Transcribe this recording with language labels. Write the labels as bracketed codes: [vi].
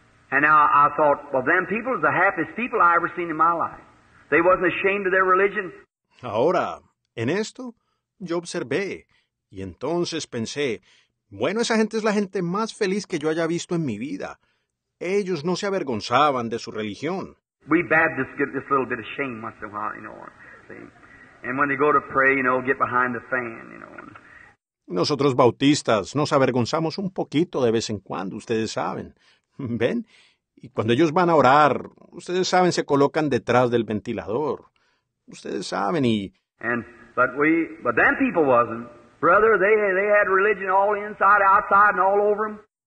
[en] And now I thought, well, them people is the happiest people I ever seen in my life. They wasn't ashamed of their religion. [es] Ahora, en esto, yo observé. Y entonces pensé, bueno, esa gente es la gente más feliz que yo haya visto en mi vida. Ellos no se avergonzaban de su religión. [en] We Baptists get this little bit of shame once in a while, you know. And when they go to pray, you know, get behind the fan, you know. [es] Nosotros bautistas nos avergonzamos un poquito de vez en cuando, ustedes saben. ¿Ven? Y cuando ellos van a orar, ustedes saben, se colocan detrás del ventilador. Ustedes saben y... [en] But them people wasn't. Brother, they had religion all inside, outside, and all over them.